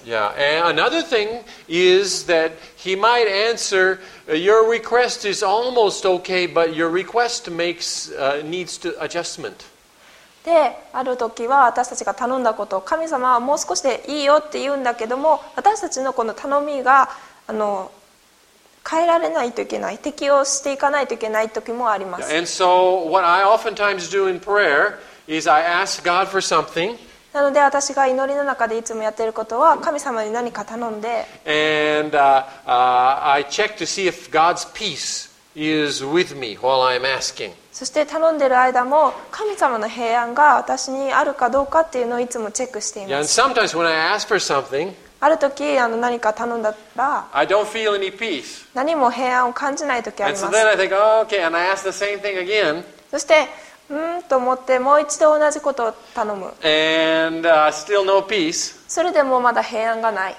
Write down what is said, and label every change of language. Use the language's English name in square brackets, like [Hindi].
[English] Yeah. And another thing is that He might answer. Your request is almost okay, but your request makes, needs to adjustment. [Japanese] で、ある時は私たちが頼んだことを神様はもう少しでいいよって言うんだけども、私たちのこの頼みが変えられないといけない、適応していかないといけない時もあります。 [English] And so what I oftentimes do in prayer is I ask God for something. [Japanese] なので私が祈りの中でいつもやっていることは神様に何か頼んで、 [English] And, I check to see if God's peace is with me while I'm asking. [Japanese] そして頼んでいる間も神様の平安が私にあるかどうかっていうのをいつもチェックしています。 [English] Yeah, and sometimes when I ask for something, [Japanese] ある時何か頼んだら [English] I don't feel any peace. [Japanese] 何も平安を感じない時あります。 [English] And so then I think, oh, okay, and I ask the same thing again. [Japanese] そしてと思ってもう一度同じことを頼む。 [English] And, still no peace. [Japanese] それでもまだ平安がない。